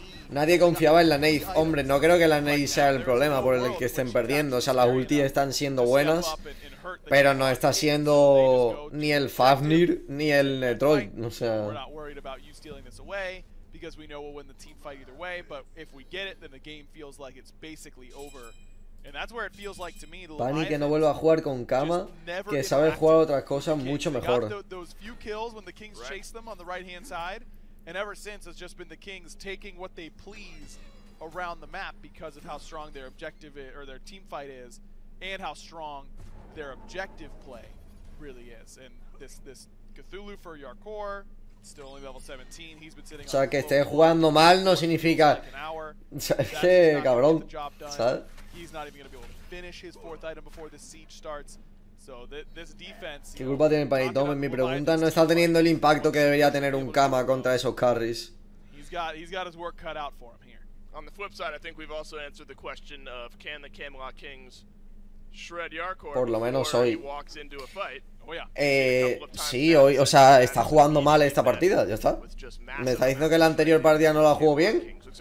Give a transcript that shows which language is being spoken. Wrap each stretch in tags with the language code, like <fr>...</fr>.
<es>Nadie confiaba en la Nade. Hombre, no creo que la Nade sea el problema por el que estén perdiendo. O sea, las ultis están siendo buenas, pero no está siendo ni el Fafnir ni el Netroid. O sea,</es> <en>we're not worried about you stealing this away because we know we'll win the team fight either way, but if we get it then the game feels like it's basically over. And that's where it feels like to me.</en> <es>Pani que no vuelva a jugar con Kama, que sabe jugar otras cosas mucho mejor.</es> <en>Those few kills when the Kings chased them on the right hand side, and ever since it's just been the Kings taking what they please around the map because of how strong their objective is, or their team fight is, and how strong their objective play really is. And this Cthulhu for Yarkor, still only level 17. He's been sitting.</en> <es>O sea, que esté jugando mal no significa. Sí, cabrón.</es> <en>He's not even going to be able to finish his fourth item before the siege starts. So this defense.</en> <es>¿Qué culpa tiene Panitom? Mi pregunta no está teniendo el impacto que debería tener un Kama contra esos carries.</es> <en>He's got his work cut out for him here. On the flip side, I think we've also answered the question of can the Camelot Kings shred Yarkor?</en> <es>Por lo menos hoy.</es> <en>Walks into a fight.</en> <es>Sí, hoy, o sea, está jugando mal esta partida, ya está. ¿Me está diciendo que la anterior partida no la jugó bien?</es>